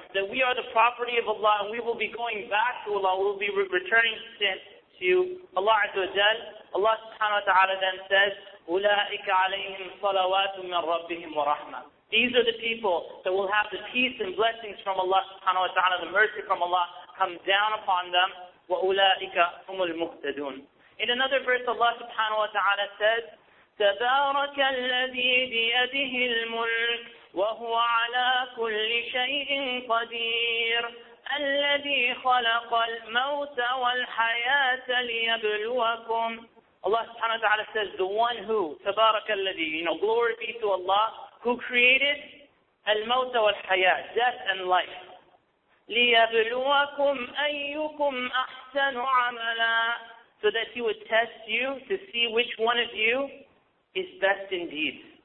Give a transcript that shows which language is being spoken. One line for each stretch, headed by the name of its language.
English: That we are the property of Allah and we will be going back to Allah. We will be returning to Allah azza wa jal. Allah subhanahu wa ta'ala then says,
Arabic: أُولَٰئِكَ عَلَيْهِمْ صَلَوَاتٌ مِّن رَبِّهِمْ وَرَحْمَةٌ.
English: These are the people that will have the peace and blessings from Allah subhanahu wa ta'ala, the mercy from Allah come down upon them.
Arabic: وَأُولَٰئِكَ هُمُ الْمُهْتَدُونَ.
English: In another verse, Allah subhanahu wa ta'ala says,
Arabic: تَبَارَكَ الَّذِي بِيَدِهِ الْمُلْكِ وَهُوَ عَلَىٰ كُلِّ شَيْءٍ قَدِيرٌ الَّذِي خَلَقَ الْمَوْتَ وَالْحَيَاةَ لِيَبْلُوَكُمْ.
English: Allah subhanahu wa ta'ala says, the one who,
Arabic: تَبَارَكَ الَّذِي,
English: you know, glory be to Allah, who created
Arabic: الْمَوْتَ وَالْحَيَاةَ,
English: death and life.
Arabic: لِيَبْلُوَكُمْ أَيُّكُمْ أَحْسَنُ عَمَلًا,
English: so that He would test you to see which one of you is best indeed.